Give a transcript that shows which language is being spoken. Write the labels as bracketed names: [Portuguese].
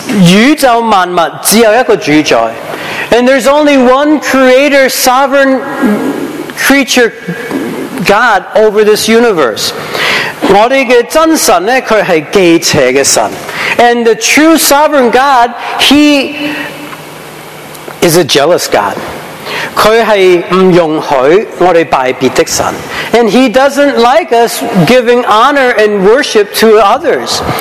[Chinese] 宇宙万物只有一个主宰. [English] And there's only one creator, sovereign creature, God over this universe. [Chinese] 我们的真神呢,祂是记邪的神. [English] And the true sovereign God, He is a jealous God. [Chinese] 祂是不容许我们拜别的神. [English] And He doesn't like us giving honor and worship to others.